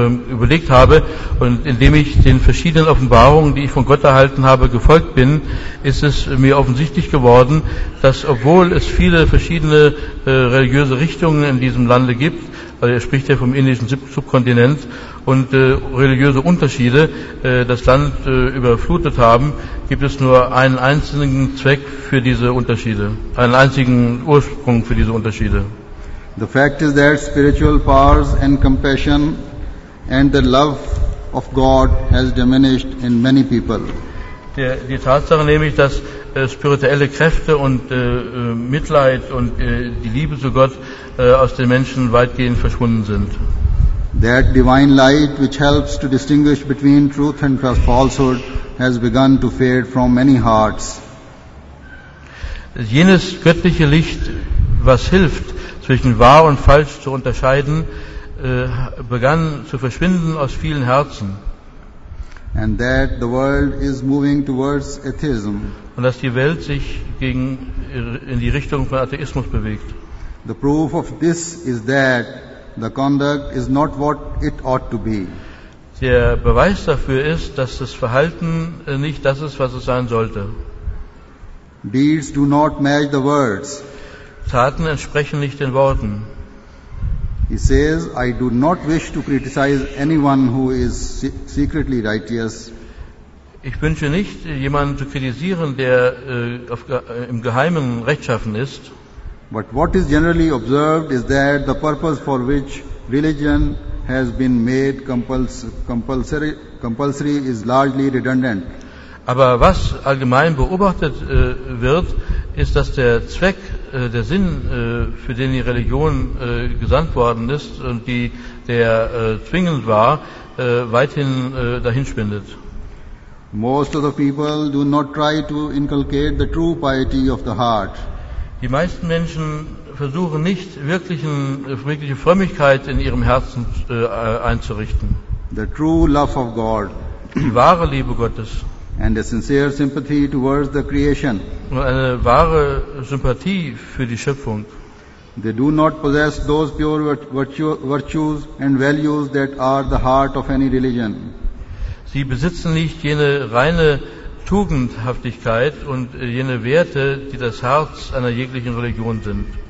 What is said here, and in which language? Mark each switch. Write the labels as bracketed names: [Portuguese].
[German] überlegt habe und indem ich den verschiedenen Offenbarungen, die ich von Gott erhalten habe, gefolgt bin, ist es mir offensichtlich geworden, dass obwohl es viele verschiedene religiöse Richtungen in diesem Lande gibt, also er spricht ja vom indischen Subkontinent und religiöse Unterschiede das Land überflutet haben, gibt es nur einen einzigen Zweck für diese Unterschiede, einen einzigen Ursprung für diese Unterschiede. [English] The fact is that spiritual powers and compassion and the love of God has diminished in many people. [German] Die Tatsache nämlich, dass spirituelle Kräfte und Mitleid und die Liebe zu Gott aus den Menschen weitgehend verschwunden sind. [English] That divine light which helps to distinguish between truth and falsehood has begun to fade from many hearts. [German] Jenes göttliche Licht, was hilft, zwischen wahr und falsch zu unterscheiden, begann zu verschwinden aus vielen Herzen. [English] And that the world is moving towards atheism. [German] Und dass die Welt sich gegen, in die Richtung von Atheismus bewegt. [English] The proof of this is that the conduct is not what it ought to be. [German] Der Beweis dafür ist, dass das Verhalten nicht das ist, was es sein sollte. [English] Deeds do not match the words. [German] Taten entsprechen nicht den Worten. [English] He says, I do not wish to criticize anyone who is secretly righteous. [German] Ich wünsche nicht, jemanden zu kritisieren, der im Geheimen rechtschaffen ist. [English] But what is generally observed is that the purpose for which religion has been made compulsory is largely redundant. [German] Aber was allgemein beobachtet wird, ist, dass der Zweck, der Sinn, für den die Religion gesandt worden ist und die, der zwingend war, weithin dahin schwindet. [English] Most of the people do not try to inculcate the true piety of the heart. [German] Die meisten Menschen versuchen nicht, wirkliche Frömmigkeit in ihrem Herzen einzurichten. [English] The true love of God. [German] Die wahre Liebe Gottes. [English] And a sincere sympathy towards the creation. [German] Und eine wahre Sympathie für die Schöpfung. [English] They do not possess those pure virtues and values that are the heart of any religion. [German] Sie besitzen nicht jene reine Tugendhaftigkeit und jene Werte, die das Herz einer jeglichen Religion sind.